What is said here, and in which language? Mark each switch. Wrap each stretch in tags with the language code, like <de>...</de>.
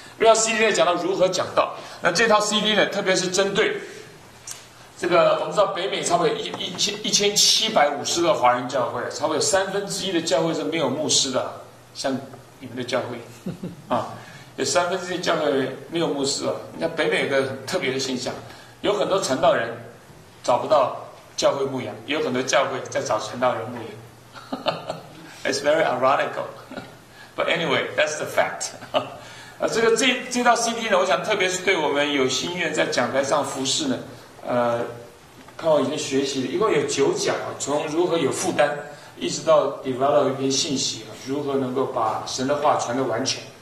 <zh>这套 CD 呢讲到如何讲道，那这套 CD 呢特别是针对这个，我们知道北美差不多1750个华人教会，差不多有1/3的教会是没有牧师的，像你们的教会啊，有三分之一教会没有牧师啊。那北美有个很特别的现象，有很多传道人找不到教会牧养，有很多教会在找传道人牧养。</zh> <en>It's very ironical, but anyway, that's the fact.</en> <zh>啊，这道 CD 呢，我想特别是对我们有心愿在讲台上服侍呢，看我已经学习了，一共有九讲，从如何有负担，一直到 develop 一篇信息，如何能够把神的话传得完全。</zh>